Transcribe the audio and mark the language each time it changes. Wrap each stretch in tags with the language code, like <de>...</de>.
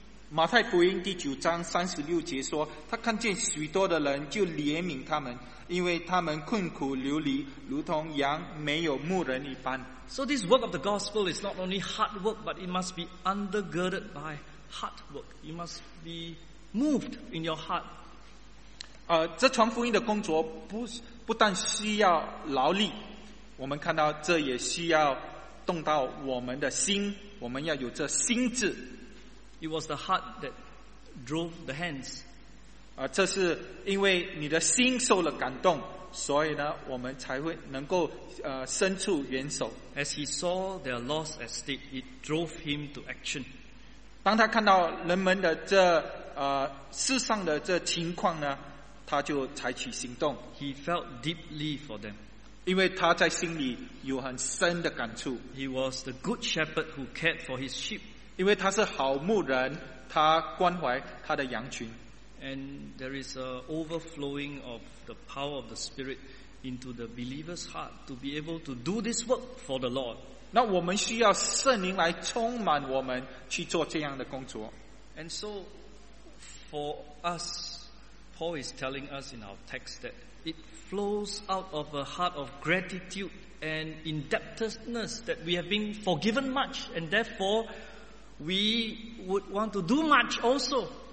<zh>马太福音第九章三十六节说，他看见许多的人就怜悯他们，因为他们困苦流离，如同羊没有牧人一般。</zh> <en>So this work of the gospel is not only hard work, but it must be undergirded by heart work. You must be moved in your heart.</en> <zh>这传福音的工作不但需要劳力，我们看到这也需要动到我们的心，我们要有这心智。</zh> <en>It was the heart that drove the hands.</en> <zh>这是因为你的心受了感动，所以呢，我们才会能够伸出援手。</zh> <en>As he saw their loss at stake, it drove him to action.</en> <zh>当他看到人们的这世上的这情况呢？他就采取行动。</zh> <en>He felt deeply for them.</en> <zh>因为他在心里有很深的感触。</zh> <en>He was the good shepherd who cared for his sheep.</en> <zh>因为他是好牧人，他关怀他的羊群。</zh> <en>And there is an overflowing of the power of the Spirit into the believer's heart to be able to do this work for the Lord.</en> <zh>那我们需要圣灵来充满我们去做这样的工作。</zh> <en>And so, for us, Paul is telling us in our text that it flows out of a heart of gratitude and indebtedness that we have been forgiven much, and therefore, we would want to do much also.</en>